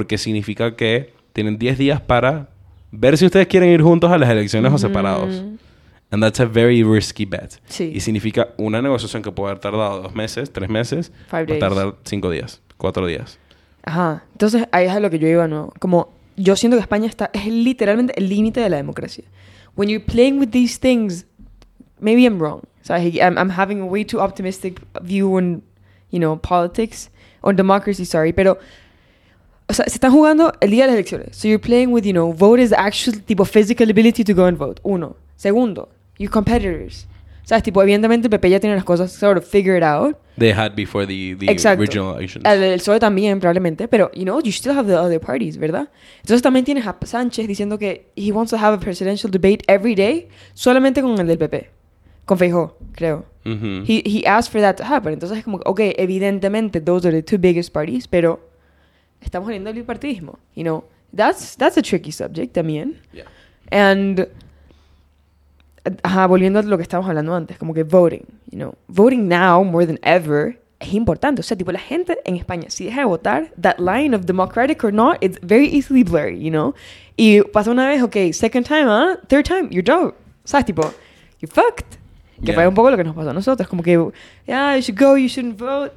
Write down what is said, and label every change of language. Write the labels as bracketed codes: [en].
[es] Porque significa que tienen 10 días para ver si ustedes quieren ir juntos a las elecciones o separados. [en] And that's a very risky bet. [es] Sí. Y significa una negociación que puede haber tardado 2 meses, 3 meses, [en] five days. [es] Va a tardar 5 días, 4 días. Ajá. Entonces, ahí es a lo que yo iba, ¿no? Como, yo siento que España está, es literalmente el límite de la democracia. [en] When you're playing with these things, maybe I'm wrong. So I'm having a way too optimistic view on, you know, politics, on democracy, sorry, pero... [es] O sea, se están jugando el día de las elecciones. [en] So you're playing with, you know, voters' actual, tipo, physical ability to go and vote. [es] Uno. Segundo, your competitors. O sea, tipo, evidentemente el PP ya tiene las cosas sort of figured out. [en] They had before the regional elections. Exacto. El PSOE también, probablemente. Pero, you know, you still have the other parties, ¿verdad? [es] Entonces también tienes a Sánchez diciendo que he wants to have a presidential debate every day solamente con el del PP. Con Feijó, creo. Mm-hmm. [en] He asked for that to happen. Entonces es como, okay, evidentemente those are the two biggest parties, pero... Estamos hablando del bipartidismo, you know. That's a tricky subject también. Yeah. [es] And, volviendo a lo que estábamos hablando antes, como que voting, you know. [en] Voting now, more than ever, es importante. O sea, tipo, la gente en España, si deja de votar, that line of democratic or not, it's very easily blurry, you know. Y pasa una vez, okay, second time, ¿eh? Third time, you're done. O sea, tipo, you're fucked. [es] Que fue un poco lo que nos pasó a nosotros. [en] Como que, yeah, you should go, you shouldn't vote.